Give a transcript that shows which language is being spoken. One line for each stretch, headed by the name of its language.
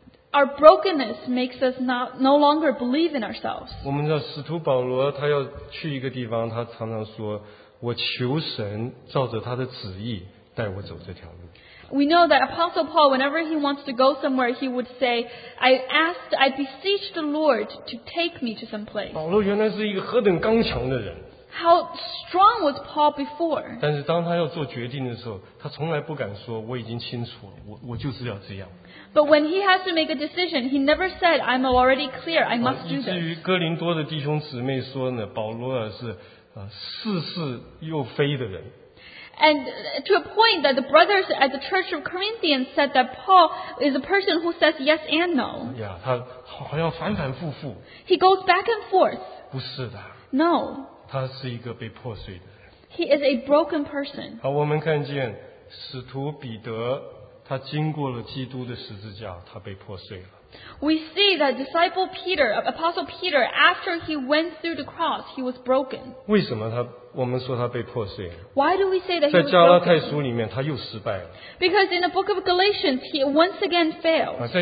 English: Our brokenness makes us no longer believe in ourselves.
Chinese: 我们知道使徒保罗他要去一个地方，他常常说。我求神照着他的旨意带我走这条路。
English: We know that Apostle Paul, whenever he wants to go somewhere, he would say, I beseech the Lord to take me to some place.
Chinese: 保罗原来是一个何等刚强的人。
English: How strong was Paul before?
Chinese: 但是当他要做决定的时候，他从来不敢说我已经清楚了，我就是要这样。
English: But when he has to make a decision, he never said, I'm already clear, I must do this.
Chinese: 以至于哥林多的弟兄姊妹说呢，保罗是。似是又非的人。
English: And to a point that the brothers at the Church of Corinthians said that Paul is a person who says yes and no. Yeah,
Chinese: 他好像反反复复。
English: He goes back and forth.
Chinese: 不是的。
English: No.
Chinese: 他是一个被破碎的人。
English: He is a broken person.
Chinese: 好，我们看见使徒彼得，他经过了基督的十字架，他被破碎了。
English: We see that disciple Peter, Apostle Peter, after he went through the cross, he was broken.
Chinese: 为什么他我们说他被破碎？
English: Why do we say that he was broken?
Chinese: 在加拉太书里面，他又失败了。
English: Because in the book of Galatians, he once again failed.